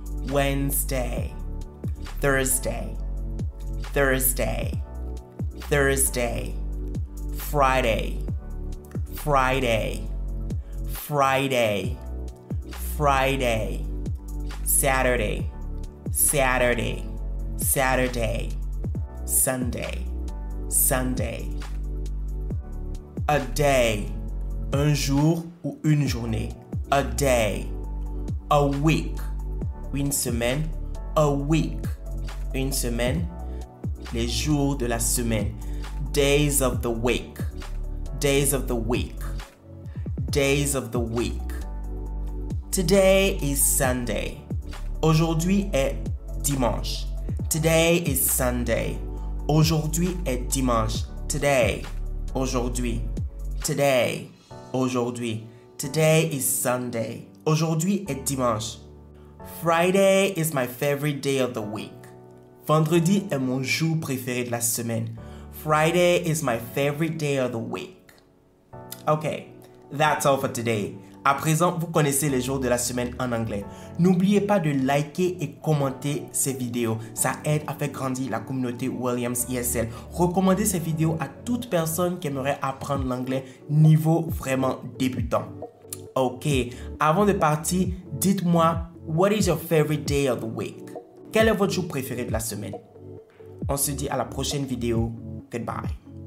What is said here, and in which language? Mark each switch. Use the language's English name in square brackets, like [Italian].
[English] Wednesday, Thursday, Thursday, Thursday, Friday, Friday, Friday, Friday, Saturday, Saturday, Saturday, Sunday, Sunday. A day, [French] un jour ou une journée. [English] A day, a week. [French] Une semaine, [English] a week, [French] une semaine, les jours de la semaine, [English] days of the week, days of the week, days of the week. Today is Sunday, [French] aujourd'hui est dimanche, [English] today is Sunday, aujourd'hui est dimanche, today, aujourd'hui, today, aujourd'hui, today is Sunday, aujourd'hui est dimanche. Friday is my favorite day of the week. [French] Vendredi est mon jour préféré de la semaine. [English] Friday is my favorite day of the week. Okay, that's all for today. [French] À présent, vous connaissez les jours de la semaine en anglais. N'oubliez pas de liker et commenter ces vidéos. Ça aide à faire grandir la communauté Williams ESL. Recommandez ces vidéos à toute personne qui aimerait apprendre l'anglais niveau vraiment débutant. Okay, avant de partir, dites-moi... [English] What is your favorite day of the week? [French] Quel est votre jour préféré de la semaine? On se dit à la prochaine vidéo. [English] Goodbye.